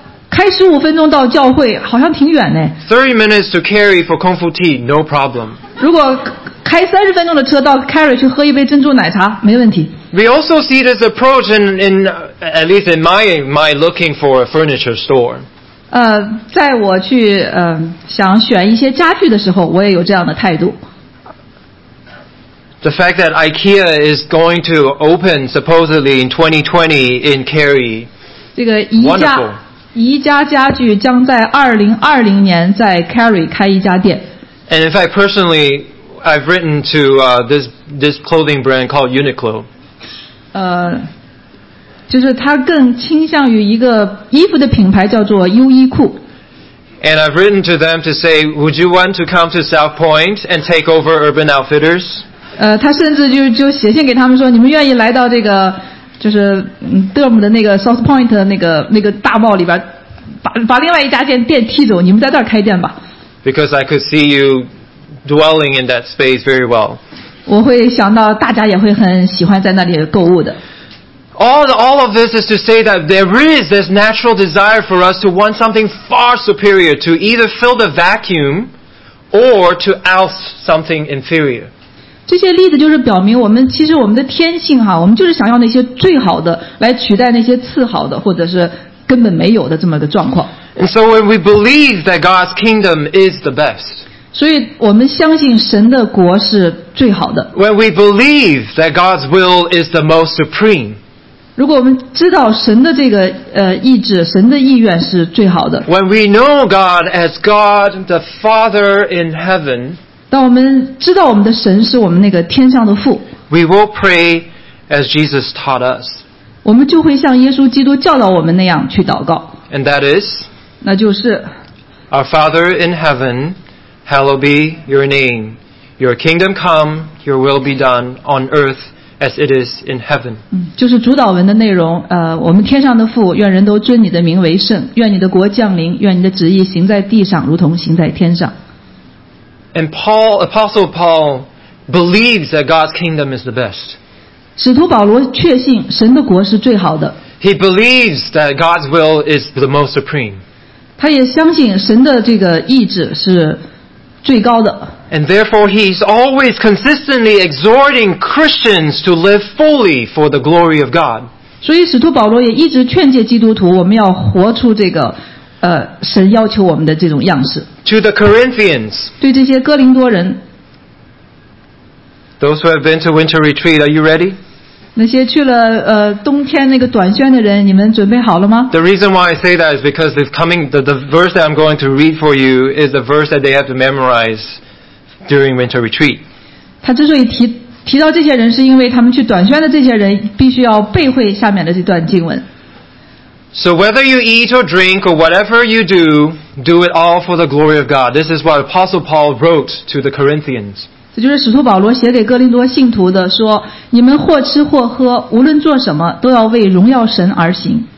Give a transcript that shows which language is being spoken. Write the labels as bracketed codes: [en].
[zh] 开15分钟到教会，好像挺远呢。 [en] 30 minutes to Kerry for Kung Fu Tea, no problem. [zh] 如果开三十分钟的车到 Kerry 去喝一杯珍珠奶茶，没问题。 [en] We also see this approach in at least in my looking for a furniture store. [zh] 在我去想选一些家具的时候，我也有这样的态度。 [en] The fact that IKEA is going to open supposedly in 2020 in Kerry. [zh] 这个宜家家具将在2020年在 Kerry 开一家店。 [en] And in fact, personally. I've written to this clothing brand called Uniqlo. [zh] 就是他更倾向于一个衣服的品牌叫做优衣库。 [en] And I've written to them to say, would you want to come to South Point and take over Urban Outfitters? [zh] 他甚至就写信给他们说，你们愿意来到这个就是德姆的那个 South Point 那个大帽里边，把另外一家店踢走，你们在这儿开店吧。 [en] Because I could see you dwelling in that space very well. [zh] 我会想到大家也会很喜欢在那里购物的。 [en] All of this is to say that there is this natural desire for us to want something far superior, to either fill the vacuum or to oust something inferior. [zh] 这些例子就是表明我们的天性哈，我们就是想要那些最好的来取代那些次好的或者是根本没有的这么个状况。 [en] And so when we believe that God's kingdom is the best, [zh] 所以我们相信神的国是最好的。 [en] When we believe that God's will is the most supreme, [zh] 如果我们知道神的这个意志，神的意愿是最好的。 [en] When we know God as God the Father in heaven, [zh] 当我们知道我们的神是我们那个天上的父。 [en] We will pray as Jesus taught us. [zh] 我们就会像耶稣基督教导我们那样去祷告。 [en] And that is, [zh] 那就是 [en] Our Father in heaven, hallowed be your name. Your kingdom come, your will be done on earth. As it is in heaven. [zh] 就是主导文的内容。我们天上的父，愿人都尊你的名为圣。愿你的国降临。愿你的旨意行在地上，如同行在天上。 [en] And Paul, Apostle Paul, believes that God's kingdom is the best. [zh] 使徒保罗确信神的国是最好的。 [en] He believes that God's will is the most supreme. [zh] 他也相信神的这个意志是。最高的。 [en] And therefore, he's always consistently exhorting Christians to live fully for the glory of God. [zh] 所以使徒保罗也一直劝诫基督徒，我们要活出这个，神要求我们的这种样式。 [en] To the Corinthians. [zh] 对这些哥林多人。 [en] Those who have been to winter retreat, are you ready? [zh] 那些去了冬天那个短宣的人，你们准备好了吗？ [en] The reason why I say that is because this coming the verse that I'm going to read for you is the verse that they have to memorize during winter retreat. [zh] 他之所以提到这些人，是因为他们去短宣的这些人必须要背会下面的这段经文。 [en] So whether you eat or drink or whatever you do, do it all for the glory of God. This is what Apostle Paul wrote to the Corinthians. [zh] 这就是使徒保罗写给哥林多信徒的，说你们或吃或喝，无论做什么，都要为荣耀神而行。